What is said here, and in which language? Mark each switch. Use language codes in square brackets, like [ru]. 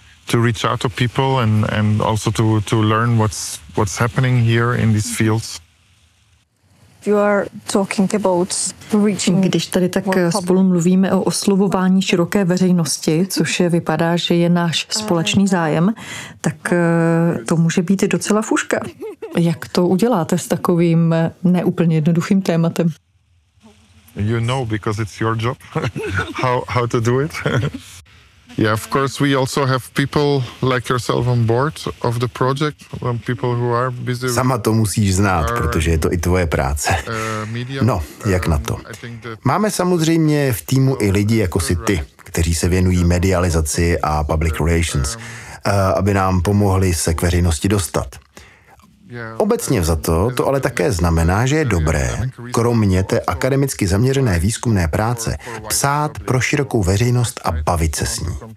[en] To reach out to people and also to learn what's happening here in these fields. You are talking about reaching. [cs] Když tady tak spolu mluvíme o oslovování široké veřejnosti, což je, vypadá, že je náš společný zájem, tak to může být docela fuška. Jak to uděláte s takovým neúplně jednoduchým tématem? [en] You know, because it's your job. How to do it? Yeah, of course we also have people like yourself on board of the project, people who are busy. [cs] Sama to musíš znát, protože je to i tvoje práce. No, jak na to? Máme samozřejmě v týmu i lidi jako si ty, kteří se věnují medializaci a public relations, aby nám pomohli se k veřejnosti dostat. Obecně vzato to ale také znamená, že je dobré, kromě té akademicky zaměřené výzkumné práce, psát pro širokou veřejnost a bavit se s ní.